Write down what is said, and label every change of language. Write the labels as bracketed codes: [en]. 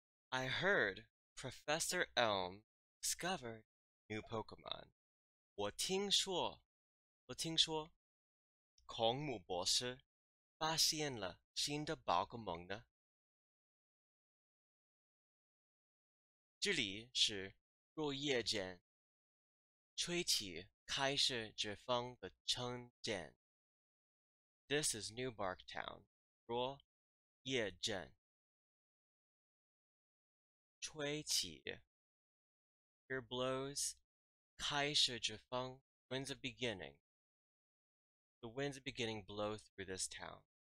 [en] I heard Professor Elm discovered new Pokemon. [zh] 我听说，孔母博士发现了新的宝可梦呢。这里是落叶镇，吹起开始之风的春天。 [en] This is New Bark Town. [zh] 落叶镇。吹起, [en] here blows [zh] 开始之风, [en] winds of beginning. The winds of beginning blow through this town.